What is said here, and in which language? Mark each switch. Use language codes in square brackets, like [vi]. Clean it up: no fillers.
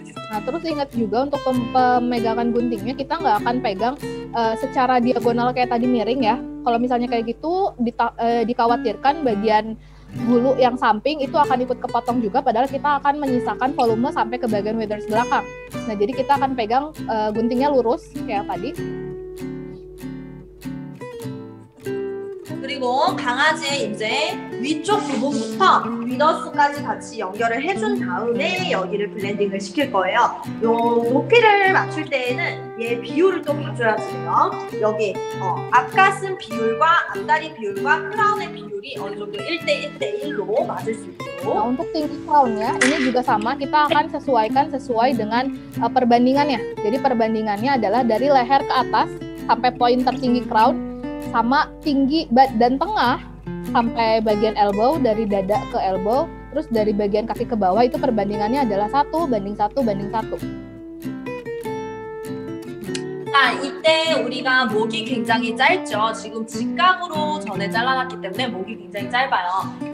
[id] Nah, terus ingat juga untuk pemegangan guntingnya, kita nggak akan pegang secara diagonal kayak tadi miring ya. Kalau misalnya kayak gitu, dikhawatirkan bagian bulu yang samping itu akan ikut kepotong juga, padahal kita akan menyisakan volume sampai ke bagian withers belakang. Nah, jadi kita akan pegang guntingnya lurus kayak tadi. [ko] 그리고 그리고 강아지의 이제 위쪽 부분부터 윗어수까지 같이 연결을 해준 다음에 여기를 블렌딩을 시킬 거예요. 요 높이를 맞출 때에는 얘 비율을 또 봐줘야 돼요. 여기 앞가슴 비율과 앞다리 비율과 크라운의 비율이 어느 정도 1:1:1로 맞을 수 있고. 자, [id] untuk tinggi crownnya ini juga sama, kita akan sesuaikan sesuai dengan perbandingannya. Jadi perbandingannya adalah dari leher ke atas sampai poin tertinggi crown, sama tinggi dan tengah sampai bagian elbow, dari dada ke elbow, terus dari bagian kaki ke bawah, itu perbandingannya adalah 1:1:1. [ko] Nah, 이때 우리가 목이 굉장히 짧죠. 지금 직각으로 전에 잘라놨기 때문에 목이 굉장히 짧아요.